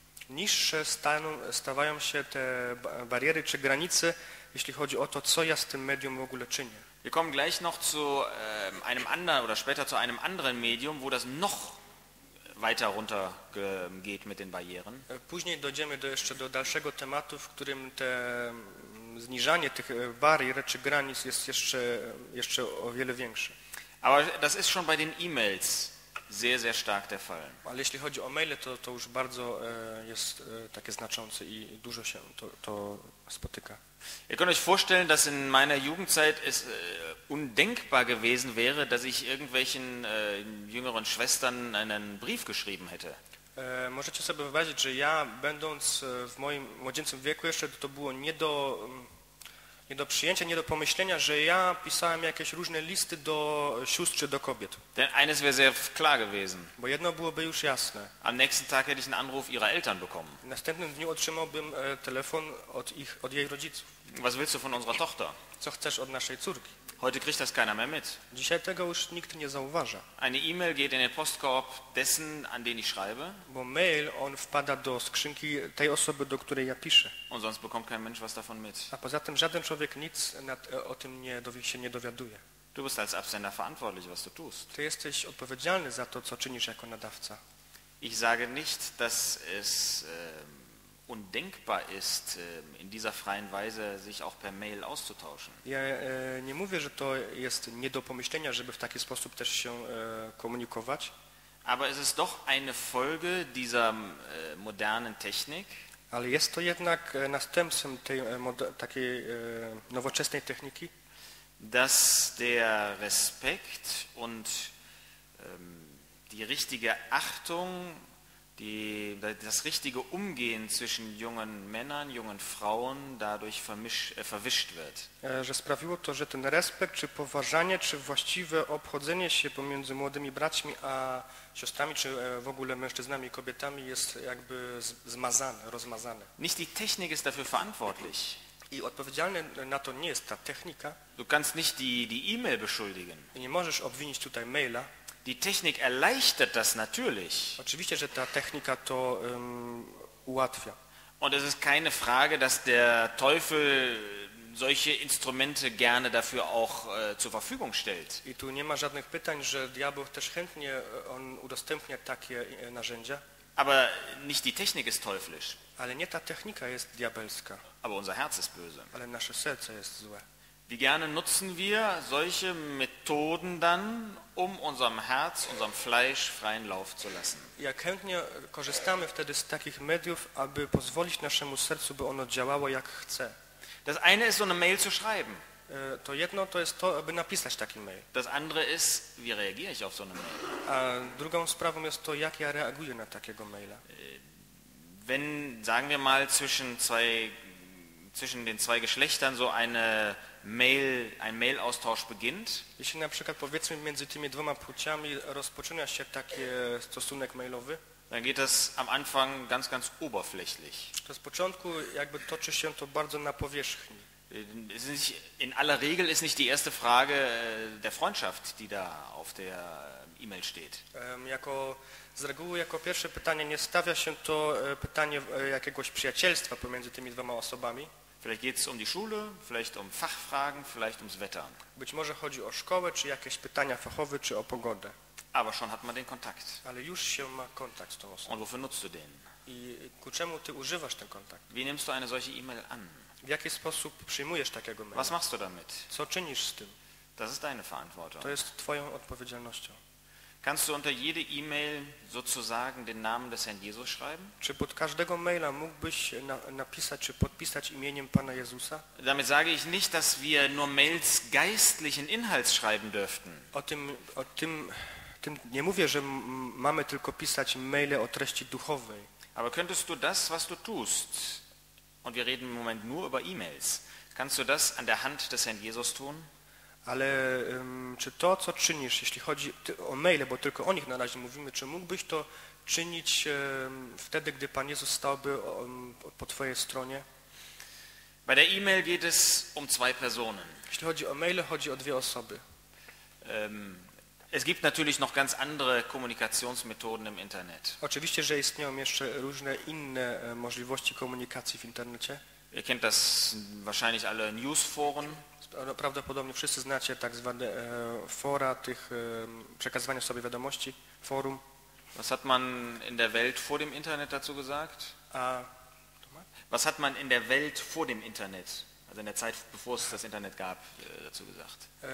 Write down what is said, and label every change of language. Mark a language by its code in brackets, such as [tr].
[pl] Niższe stawają się te bariery czy granice, jeśli chodzi o to, co ja z tym medium w ogóle czynię. [de] Wir kommen gleich noch zu einem anderen oder später zu einem anderen Medium, wo das noch weiter runter geht mit den Barrieren. [pl] Później dojdziemy jeszcze do dalszego tematu, w którym te zniżanie tych barier czy granic jest jeszcze o wiele większe. [de] Aber das ist schon bei den E-Mails sehr, sehr stark der Fall. [pl] Ale jeśli chodzi o maile, to już bardzo jest takie znaczące i dużo się to spotyka. [de] Ihr könnt euch vorstellen, dass in meiner Jugendzeit es undenkbar gewesen wäre, dass ich irgendwelchen jüngeren Schwestern einen Brief geschrieben hätte. [pl] Możecie sobie wyobrazić, że ja będąc w moim młodzieńczym wieku jeszcze to było nie do przyjęcia, nie do pomyślenia, że ja pisałem jakieś różne listy do sióstr czy do kobiet. [de] Denn eines wäre sehr klar gewesen. [pl] Bo jedno byłoby już jasne. [de] Am nächsten Tag hätte ich einen Anruf ihrer Eltern bekommen. [pl] W następnym dniu otrzymałbym telefon od jej rodziców. [de] Was willst du von unserer Tochter? [pl] Co chcesz od naszej córki? [de] Heute kriegt das keiner mehr mit. [pl] Dzisiaj tego już nikt nie zauważa. [de] Eine E-Mail geht in den Postkorb dessen, an den ich schreibe. [pl] Bo mail, on wpada do skrzynki tej osoby, do której ja piszę. [de] Und sonst bekommt kein Mensch was davon mit. [pl] A poza tym żaden człowiek nic o tym nie dowiaduje. [de] Du bist als Absender verantwortlich, was du tust. [pl] Ty jesteś odpowiedzialny za to, co czynisz jako nadawca. [de] Ich sage nicht, dass es undenkbar ist, in dieser freien Weise sich auch per Mail auszutauschen. [pl] Ja nie mówię, że to jest nie do pomyślenia, żeby w taki sposób też się komunikować. [de] Aber es ist doch eine Folge dieser modernen Technik. [pl] Ale jest to jednak następstwem tej takiej nowoczesnej techniki. [de] Dass der Respekt und die richtige Achtung, das richtige Umgehen zwischen jungen Männern, jungen Frauen dadurch verwischt wird. [pl] Że sprawiło to, że ten respekt, czy poważanie, czy właściwe obchodzenie się pomiędzy młodymi braćmi a siostrami, czy w ogóle mężczyznami i kobietami jest jakby zmazane, rozmazane. [de] Nicht die Technik ist dafür verantwortlich. [pl] I odpowiedzialny na to nie jest ta technika. [de] Du kannst nicht die E-Mail beschuldigen. [pl] I nie możesz obwinić tutaj maila. [de] Die Technik erleichtert das natürlich. [pl] Oczywiście, że ta technika to ułatwia. [de] Und es ist keine Frage, dass der Teufel solche Instrumente gerne dafür auch zur Verfügung stellt. [pl] I tu nie ma żadnych pytań, że diabeł też chętnie on udostępnia takie narzędzia. [de] Aber nicht die Technik ist teuflisch. [pl] Ale nie ta technika jest diabelska. [de] Aber unser Herz ist böse. [pl] Ale nasze serce jest złe. [de] Wie gerne nutzen wir solche Methoden dann, um unserem Herz, unserem Fleisch freien Lauf zu lassen? [pl] Jak chętnie korzystamy wtedy z takich mediów, aby pozwolić naszemu sercu, by ono działało jak chce. [de] Das eine ist, so eine Mail zu schreiben. [pl] To jedno to jest to, aby napisać taki mail. [de] Das andere ist, wie reagiere ich auf so eine Mail? [pl] A drugą sprawą jest to, jak ja reaguję na takiego maila. [de] Wenn, sagen wir mal, zwischen den zwei Geschlechtern so eine Mail, ein Mailaustausch beginnt. [pl] Jeśli na przykład powiedzmy między tymi dwoma płciami rozpoczyna się taki stosunek mailowy. [de] Dann geht das am Anfang ganz, ganz oberflächlich. [pl] To z początku jakby toczy się to bardzo na powierzchni. [de] In aller Regel ist nicht die erste Frage der Freundschaft, die da auf der E-Mail steht. [pl] Jako z reguły jako pierwsze pytanie nie stawia się to pytanie jakiegoś przyjacielstwa pomiędzy tymi dwoma osobami. [de] Vielleicht geht's um die Schule, vielleicht um Fachfragen, vielleicht ums Wetter. [pl] Być może chodzi o szkołę, czy jakieś pytania fachowe, czy o pogodę. [de] Aber schon hat man den Kontakt. [pl] Ale już się ma kontakt z tą osobą. [de] Und wofür nutzt du den? [pl] I ku czemu ty używasz ten kontakt? [de] Wie nimmst du eine solche E-Mail an? [pl] W jaki sposób przyjmujesz takiego maila? [de] Was machst du damit? [pl] Co czynisz z tym? [de] Das ist deine Verantwortung. [pl] To jest twoją odpowiedzialnością. [de] Kannst du unter jede E-Mail sozusagen den Namen des Herrn Jesus schreiben? [pl] Czy pod każdego maila mógłbyś napisać czy podpisać imieniem Pana Jezusa? [de] Damit sage ich nicht, dass wir nur Mails geistlichen Inhalts schreiben dürften. [pl] O tym nie mówię, że mamy tylko pisać maile o treści duchowej. [de] Aber könntest du das, was du tust, und wir reden im Moment nur über E-Mails, kannst du das an der Hand des Herrn Jesus tun? [pl] Ale czy to, co czynisz, jeśli chodzi o maile, bo tylko o nich na razie mówimy, czy mógłbyś to czynić wtedy, gdy Pan Jezus stałby po Twojej stronie? [de] Bei der E-Mail geht es um zwei Personen. [pl] Jeśli chodzi o maile, chodzi o dwie osoby. [de] Es gibt natürlich noch ganz andere Kommunikationsmethoden im Internet. [pl] Oczywiście, że istnieją jeszcze różne inne możliwości komunikacji w Internecie. [de] Ihr kennt das wahrscheinlich alle Newsforen. [pl] Prawdopodobnie wszyscy znacie tak zwane fora tych przekazywania sobie wiadomości, forum. [de] Was hat man in der Welt vor dem Internet dazu gesagt? Was hat man in der Welt vor dem Internet, also in der Zeit, bevor es das Internet gab, dazu gesagt?